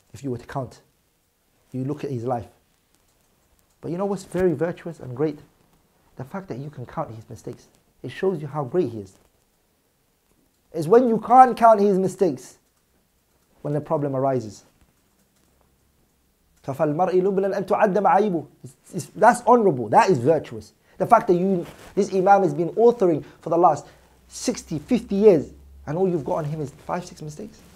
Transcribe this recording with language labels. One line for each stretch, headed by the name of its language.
English: If you were to count, you look at his life. But you know what's very virtuous and great? The fact that you can count his mistakes. It shows you how great he is. It's when you can't count his mistakes when the problem arises.
Arabic: فالمرء لبلا أن تعد معايبه.
English: That's honorable. That is virtuous. The fact that you, this Imam has been authoring for the last 60, 50 years, and all you've got on him is 5-6 mistakes.